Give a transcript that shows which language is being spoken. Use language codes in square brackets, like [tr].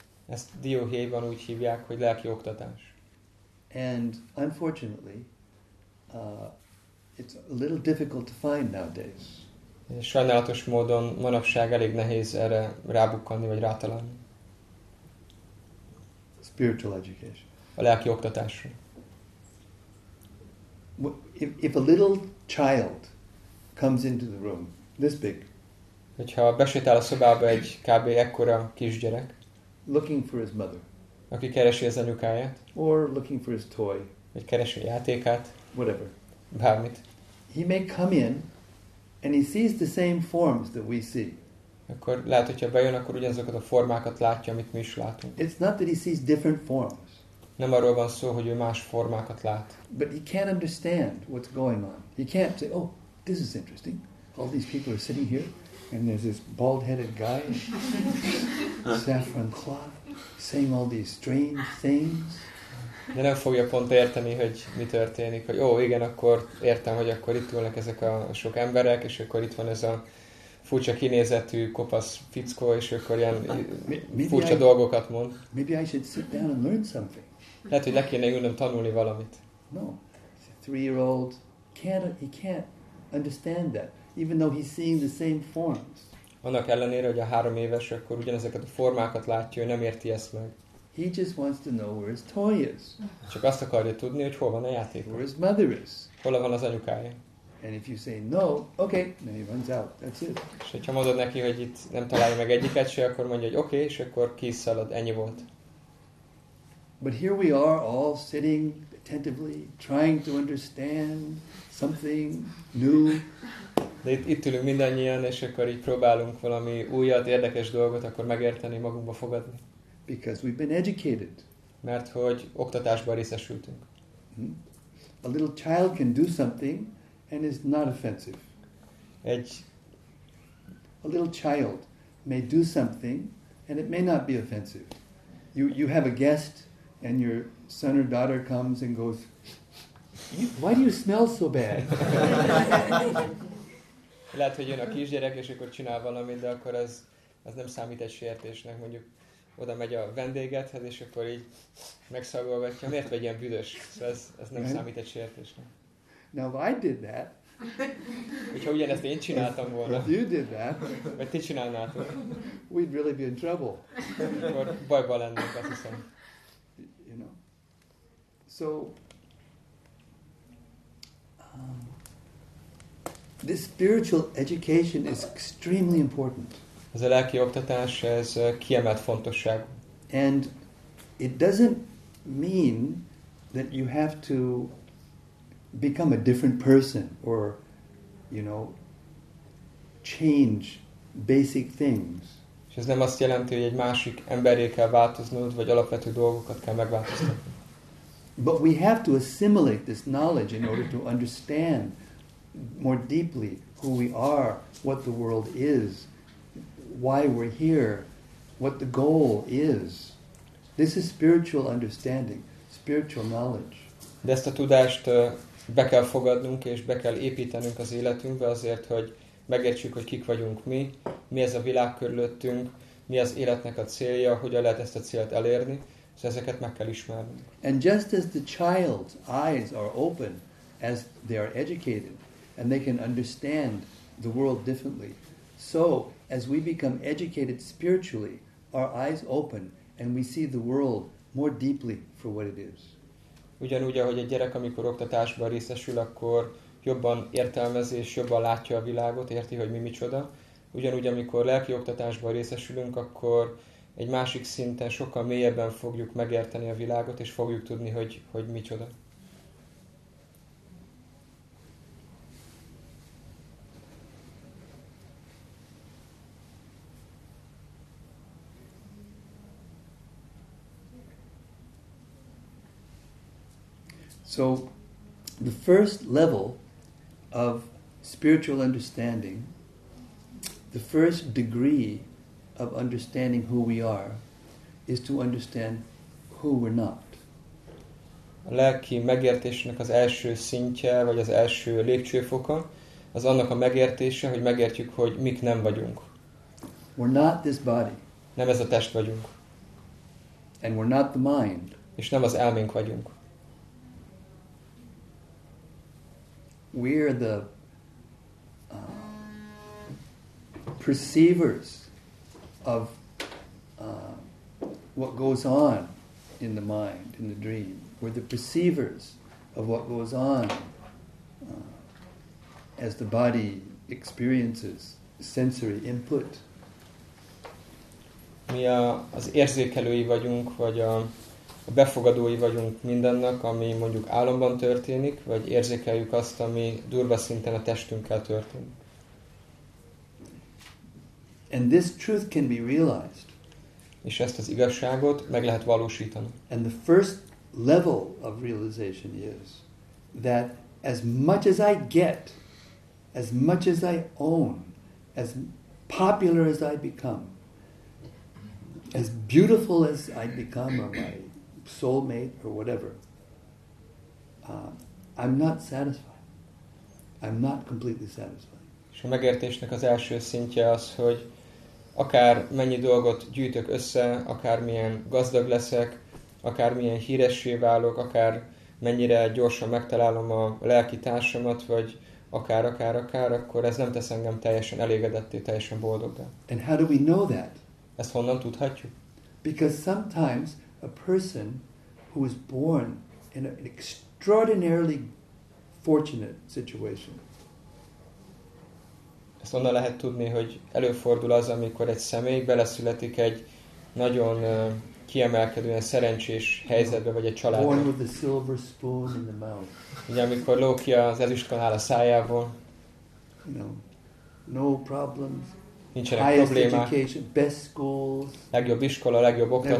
[hu] Ezt Dióhéjban úgy hívják, hogy lelki oktatás. [en] And unfortunately, it's a little difficult to find nowadays. [hu] És sajnálatos módon manapság elég nehéz erre rábukkanni vagy rátalálni. [en] Spiritual education. [hu] A lelki oktatásra. [en] If a little child comes into the room, this big. [hu] Hogyha besétál a szobába egy kb. Ekkora kisgyerek. [en] Looking for his mother. [hu] Aki keresi az anyukáját. [en] Or looking for his toy. [hu] Vagy keresi a játékát. [en] Whatever. [hu] Bármit. [en] He may come in, and he sees the same forms that we see. [hu] Akkor lehet, hogyha bejön, akkor ugyanazokat a formákat látja, amit mi is látunk. [en] It's not that he sees different forms. [hu] Nem arról van szó, hogy ő más formákat lát. [en] But he can't understand what's going on. He can't say, oh, this is interesting. All these people are sitting here, and there's this bald-headed guy, saffron cloth, saying all these strange things. [hu] De nem fogja pont érteni, hogy mi történik. Hogy, ó, igen, akkor értem, hogy akkor itt ülnek ezek a sok emberek, és akkor itt van ez a furcsa kinézetű kopasz fickó, és akkor ilyen furcsa dolgokat mond. [en] Maybe I should sit down and learn something. [hu] Lehet, hogy le kéne ülnöm tanulni valamit. [en] No. A three-year-old he can't understand that, even though he's seeing the same forms. [hu] Annak ellenére, hogy a három éves, akkor ugyanezeket a formákat látja, ő nem érti ezt meg. [en] He just wants to know where his toy is. [hu] Csak azt akarja tudni, hogy hol van a játék. [en] Where his mother is. [hu] Hol van az anyukája. [en] And if you say no, okay, then he runs out. That's it. [hu] És hogyha mondod neki, hogy itt nem találja meg egyiket se, akkor mondja, hogy okay, és akkor kiszalad, ennyi volt. [en] But here we are all sitting attentively, trying to understand something new. [hu] De itt ülünk mindannyian, és akkor így próbálunk valami újat, érdekes dolgot akkor megérteni, magunkba fogadni. [en] Because we've been educated. [hu] Mert hogy oktatásban részesültünk. [en] A little child can do something and is not offensive. A little child may do something and it may not be offensive. You have a guest and your son or daughter comes and goes, why do you smell so bad? [hu] Lehet, hogy jön a kisgyerek, és akkor csinál valamit, de akkor az nem számít egy sértésnek, mondjuk. Oda megy a vendégethez, és akkor így megszagolgatja. Miért vagy ilyen büdös? Szóval ez nem számít egy sértésnek. [en] Now, if I did that, [hu] hogyha ugyanezt én csináltam volna, [en] if you did that, [hu] vagy ti csinálnátok, [en] we'd really be in trouble. [hu] Akkor bajba lennék, azt hiszem. [en] You know? So, this spiritual education is extremely important. [hu] Ez a lelki oktatás, ez kiemelt fontosság. [en] And it doesn't mean that you have to become a different person or, you know, change basic things. [hu] És ez nem azt jelenti, hogy egy másik emberré kell változnod, vagy alapvető dolgokat kell megváltoztatni. [en] But we have to assimilate this knowledge in order to understand more deeply who we are, what the world is. Why we're here, what the goal is. This is spiritual understanding, spiritual knowledge. [hu] De ezt a tudást be kell fogadnunk és be kell építenünk az életünkbe azért, hogy megértsük, hogy kik vagyunk mi ez a világ körülöttünk, mi az életnek a célja, hogyan lehet ezt a célt elérni, és ezeket meg kell ismernünk. [en] And just as the child's eyes are open as they are educated and they can understand the world differently, so as we become educated spiritually, our eyes open and we see the world more deeply for what it is. [hu] Ugyanúgy, ahogy egy gyerek, amikor oktatásban részesül, akkor jobban értelmezi és jobban látja a világot, érti, hogy mi micsoda. Ugyanúgy, amikor lelki oktatásban részesülünk, akkor egy másik szinten sokkal mélyebben fogjuk megérteni a világot, és fogjuk tudni, hogy micsoda. [en] So, the first level of spiritual understanding, the first degree of understanding who we are, is to understand who we're not. [hu] A lelki megértésnek az első szintje, vagy az első lépcsőfoka, az annak a megértése, hogy megértjük, hogy mik nem vagyunk. [en] We're not this body. [hu] Nem ez a test vagyunk. [en] And we're not the mind. [hu] És nem az elménk vagyunk. [en] We're the perceivers of what goes on in the mind, in the dream. We're the perceivers of what goes on as the body experiences sensory input. [hu] Mi az érzékelői vagyunk, vagy a befogadói vagyunk mindennek, ami mondjuk álomban történik, vagy érzékeljük azt, ami durva szinten a testünkkel történik. [en] And this truth can be realized. [hu] És ezt az igazságot meg lehet valósítani. [en] And the first level of realization is that as much as I get, as much as I own, as popular as I become, as beautiful as I become, or my soulmate or whatever, I'm not satisfied. I'm not completely satisfied. [hu] És a megértésnek az első szintje az, hogy akár mennyi dolgot gyűjtök össze, akár milyen gazdag leszek, akár milyen híressé válok, akár mennyire gyorsan megtalálom a lelki társamat, vagy akár, akkor ez nem tesz engem teljesen elégedetté, teljesen boldoggá. [en] And how do we know that? [hu] Ezt honnan tudhatjuk? [en] Because sometimes a person who is born in an extraordinarily fortunate situation. [hu] Ezt onnan lehet tudni, hogy előfordul az, amikor egy személy beleszületik egy nagyon kiemelkedően szerencsés helyzetbe, vagy egy családba. [en] Born with a silver spoon in the mouth. [hu] Ugye, amikor ló ki az ezüstkanál a szájából. [en] No problems. [hu] Nincsenek highest problémák. [en] Education, best schools. [hu] Legjobb iskola, legjobb oktatás.